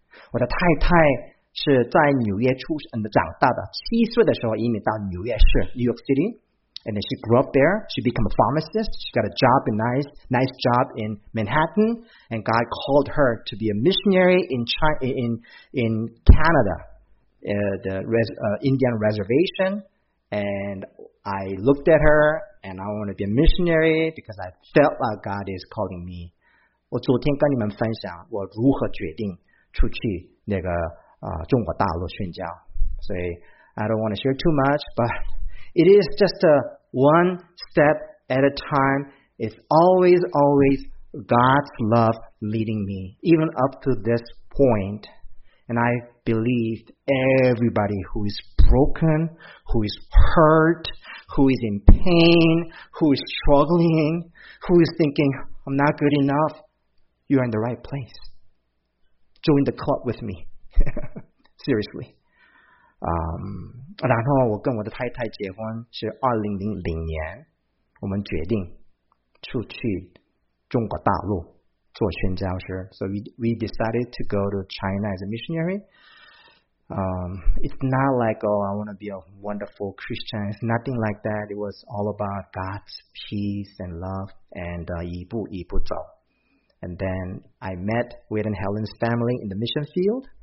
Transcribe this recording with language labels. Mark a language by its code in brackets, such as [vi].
[zh] 我的太太是在纽约出生的长大的，七岁的时候移民到纽约市 [en] New York City, and she grew up there, she became a pharmacist, she got a job, a nice job in Manhattan, and God called her to be a missionary in Canada, Indian Reservation, and I looked at her and I want to be a missionary because I felt like God is calling me. [zh] 我昨天跟你们分享我如何决定出去那个中国大陆宣教。所以 [en] I don't want to share too much, but it is just a one step at a time. It's always, always God's love leading me, even up to this point. And I believe everybody who is broken, who is hurt,who is in pain, who is struggling, who is thinking, I'm not good enough, you're in the right place. Join the club with me. Seriously. [zh] 然后我跟我的太太结婚是2000年，我们决定出去中国大陆做宣教师。 [en] So we decided to go to China as a missionary. It's not like, oh, I want to be a wonderful Christian. It's nothing like that. It was all about God's peace and love and [zh] 一步一步走. [en] And then I met Wade and Helen's family in the mission field.